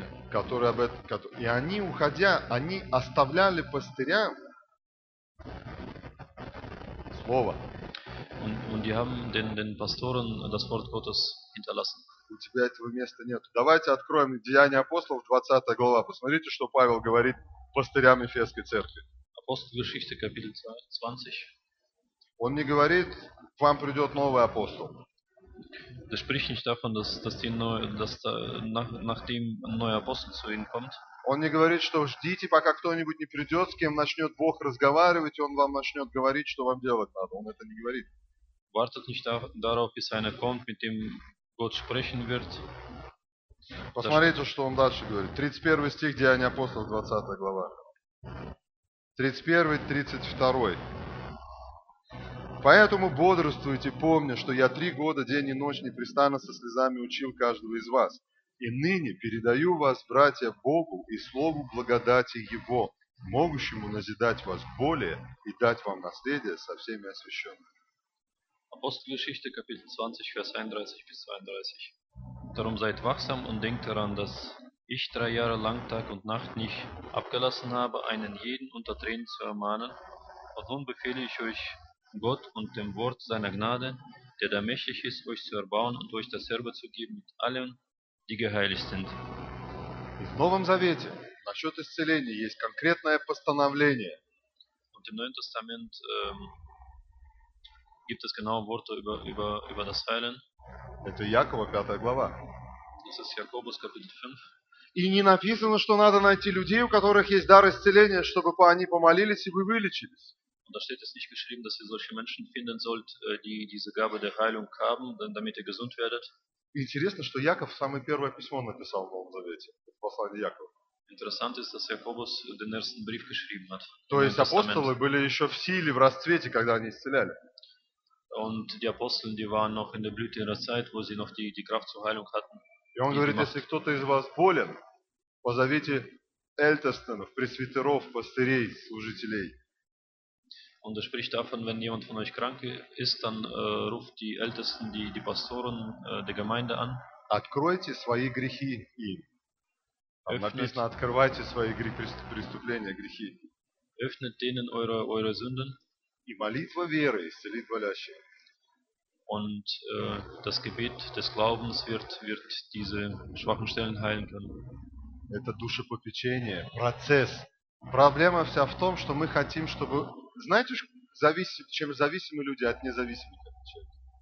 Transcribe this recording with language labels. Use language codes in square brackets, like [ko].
[ru] Которые об этом, и они уходя, они оставляли пастырям слово. [de] Und die haben den Pastoren das Wort Gottes hinterlassen. [ru] У тебя этого места нет. Давайте откроем Деяния апостолов, 20 глава. Посмотрите, что Павел говорит пастырям Эфесской церкви. [de] Апостолгеschichte, Kapitel 20. [ru] Он не говорит, к вам придет новый апостол. [de] Das spricht nicht davon, dass nachdem neuer Apostel zu ihnen kommt. [ru] Он не говорит, что ждите, пока кто-нибудь не придет, с кем начнет Бог разговаривать, и он вам начнет говорить, что вам делать надо. Он это не говорит. [de] Wartet nicht darauf, bis einer kommt, mit dem Gott sprechen wird. [ru] Посмотрите, что он дальше говорит. 31 стих, Деяния апостолов, 20 глава. 31-32. Поэтому бодрствуйте, помня, что я 3 года день и ночь непрестанно со слезами учил каждого из вас. И ныне передаю вас, братья, Богу и слову благодати Его, могущему назидать вас более и дать вам наследие со всеми освященными. [de] Apostelgeschichte, Kapitel 20, Vers 31 bis 32. Darum seid wachsam und denkt daran, dass ich 3 Jahre lang Tag und Nacht nicht abgelassen habe, einen jeden unter Tränen zu ermahnen. Und nun befehle ich euch Gott und dem Wort seiner Gnade, der da mächtig ist, euch zu erbauen und euch das Erbe zu geben mit allen, die geheiligt sind. Im Neuen Testament, [ru] насчет исцеления, есть конкретное постановление. [de] Und im Neuen Testament, gibt es genaue Worte über das Heilen? [ru] Это Якова, 5 глава. [de] Das ist Jakobus, Kapitel 5. [ru] И не написано, что надо найти людей, у которых есть дар исцеления, чтобы они помолились и вы вылечились. [de] Und da steht es nicht geschrieben, dass ihr solche Menschen finden sollt, die diese Gabe der Heilung haben, damit ihr gesund werdet. [ru] Интересно, что Яков самое первое письмо написал в Новом Завете, в послании Якова. [de] Interessant ist, dass Jakobus den ersten Brief geschrieben hat. [ru] То есть апостолы были еще в силе, в расцвете, когда они исцеляли. [de] Und die Apostel, die waren noch in der Blüte ihrer Zeit, wo sie noch die Kraft zur Heilung hatten. [ru] И он говорит, если кто-то из вас болен, позовите Ältesten, пресвитеров, пастырей, служителей. [de] Und er spricht davon, wenn jemand von euch krank ist, dann ruft die Ältesten, die Pastoren der Gemeinde an. [ru] Откройте свои грехи им. Написано, открывайте свои преступления, грехи. [de] Öffnet denen eure Sünden. [ru] И молитва веры исцелит болящих. [de] Und das Gebet des Glaubens wird diese schwachen Stellen heilen können. [ru] Это душепопечение, процесс. Проблема вся в том, что мы хотим, чтобы... Знаете, чем зависимы люди от независимых человека?